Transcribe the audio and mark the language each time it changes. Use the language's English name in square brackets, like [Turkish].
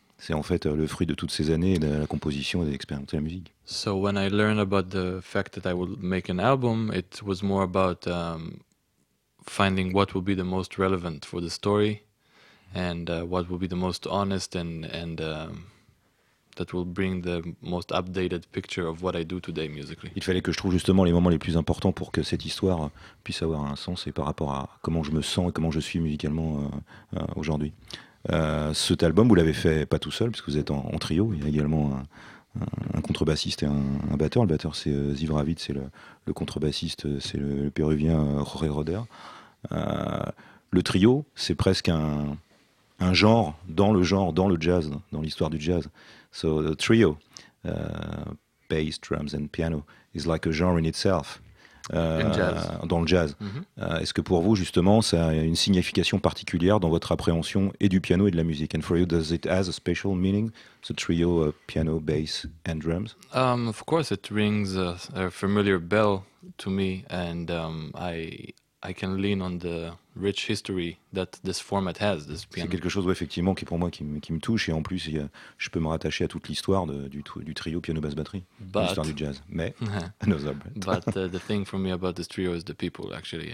[French] C'est en fait le fruit de toutes ces années de la composition et d'expérimenter la musique. [English] So when I learned about the fact that I would make an album, it was more about finding what will be the most relevant for the story and what will be the most honest and that will bring the most updated picture of what I do today musically. [French] Il fallait que je trouve justement les moments les plus importants pour que cette histoire puisse avoir un sens et par rapport à comment je me sens et comment je suis musicalement aujourd'hui. Cet album, vous l'avez fait pas tout seul parce que vous êtes en trio, il y a également un contrebassiste et un batteur. Le batteur, c'est Ziv Ravid, c'est le contrebassiste, c'est le péruvien Jorge Roder. Le trio, c'est presque un genre, dans le jazz, dans l'histoire du jazz. [English] So the trio, bass, drums and piano, is like a genre in itself, [French] dans le jazz. Mm-hmm. Est-ce que pour vous, justement, ça a une signification particulière dans votre appréhension et du piano et de la musique? [English] And for you, does it have a special meaning, the trio, piano, bass and drums? Of course, it rings a familiar bell to me and I can lean on the rich history that this format has. This piano. [French] C'est quelque chose, effectivement, qui pour moi qui me touche et en plus je peux me rattacher à toute l'histoire du trio piano basse batterie, l'histoire du jazz. Mais [English] another but. But the thing for me about this trio is the people actually.